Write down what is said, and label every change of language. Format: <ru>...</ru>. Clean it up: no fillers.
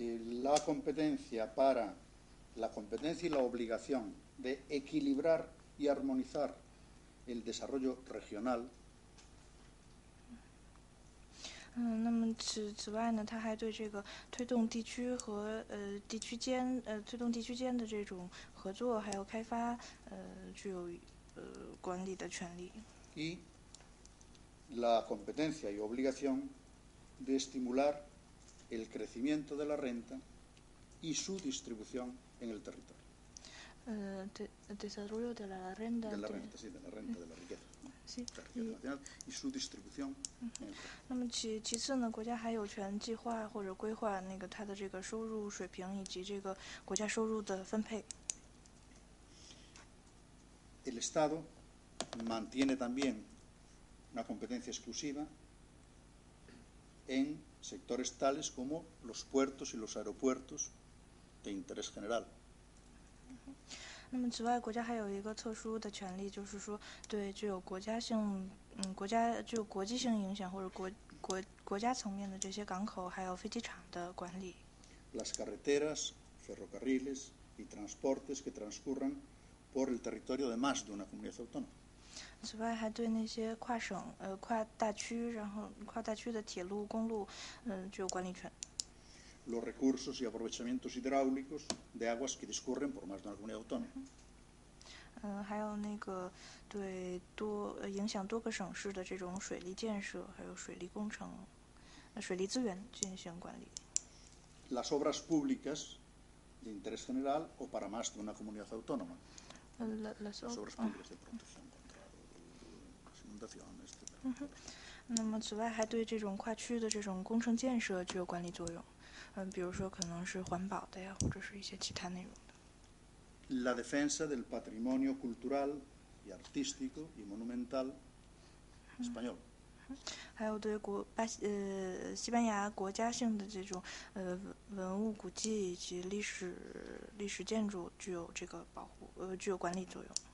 <es>La competencia y la obligación de equilibrar y armonizar el desarrollo regional.</es> <zh>那么此外呢，他还对这个推动地区和地区间推动地区间的这种合作还有开发具有管理的权利。</zh> <es>Y la competencia y obligación de estimular el crecimiento de la renta y su distribución en el territorio. Desarrollo de la renta, 的 la renta, sí, de la renta, de la riqueza, ¿no? sí, La riqueza nacional y su distribución en el territorio.</es> <zh>那么其次呢，国家还有权计划或者规划那个它的这个收入水平以及这个国家收入的分配。</zh> <es>El Estado mantiene también una competencia exclusiva en sectores tales como los puertos y los aeropuertos de interés general.</es> <zh>那么，此外，国家还有一个特殊的权利，就是说，对具有国家性，国家具有国际性影响或者国家层面的这些港口，还有飞机场的管理。</zh> <es>Las carreteras, ferrocarriles y transportes que transcurran por el territorio de más de una comunidad autónoma.</es> <zh>此外，还对那些跨省、跨大区，然后跨大区的铁路、公路，具有管理权。</zh> <es>Los recursos y aprovechamientos hidráulicos de aguas que discurren por más de una comunidad autónoma.</es> <zh>还有那个对多影响多个省市的这种水利建设，还有水利工程、水利资源进行管理。</zh> <es>Las obras públicas de interés general o para más de una comunidad autónoma. Las obras públicas de protección contra las inundaciones, etc.</es> <zh>那么，此外还对这种跨区的这种工程建设具有管理作用。比如说可能是环保的呀，或者是一些其他内容的。</zh> <es>La defensa del patrimonio cultural y artístico y monumental español.</es> <zh>还有对西班牙国家性的这种文物古迹以及历史建筑具有这个保护具有管理作用。</zh>